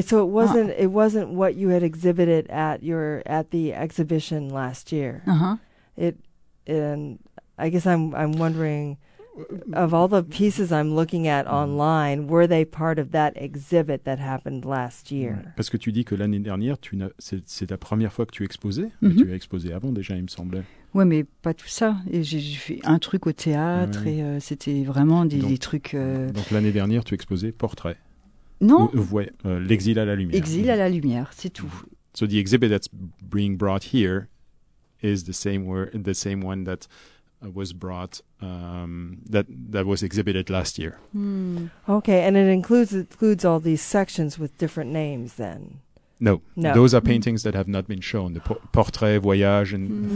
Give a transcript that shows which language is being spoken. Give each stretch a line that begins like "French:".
English: So it wasn't what you had exhibited at the exhibition last year. I'm wondering, of all the pieces I'm looking at online, were they part of that exhibit that happened last year?
French: Parce que tu dis que l'année dernière, c'est ta première fois que tu exposais. Mm-hmm. Tu as exposé avant déjà, il me semblait. Oui, mais pas tout ça. Et j'ai fait un truc au théâtre et c'était vraiment des trucs. Donc l'année dernière, tu exposais portrait. Non. L'exil à la lumière. Exil à la lumière, c'est tout.
English: So the exhibit that's being brought here is the same one that was brought that was exhibited last year. Okay, and it includes all these sections with different names then? No. Those are paintings that have not been shown, the portrait, voyage, and